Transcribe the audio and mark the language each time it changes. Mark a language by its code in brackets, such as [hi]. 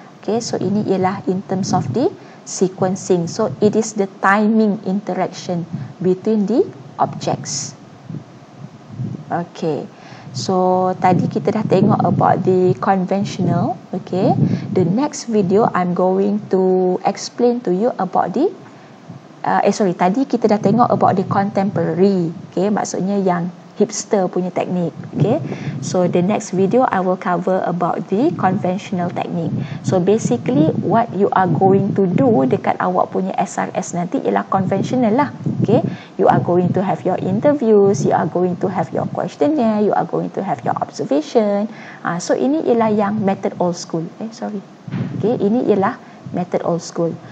[en] Okay, so ini ialah in terms of the sequencing. So it is the timing interaction between the objects. [ms] Okay, so tadi kita dah tengok [en] about the conventional. Okay, the next video I'm going to explain to you about the [ms] tadi kita dah tengok [en] about the contemporary. [ms] Okay, maksudnya yang hipster punya teknik. [en] Okay, so the next video I will cover about the conventional technique. So basically what you are going to do [ms] dekat awak punya SRS nanti ialah conventional lah. [en] Okay, you are going to have your interviews, you are going to have your questionnaire, you are going to have your observation. [ms] So ini ialah yang method old school. Okay, ini ialah method old school.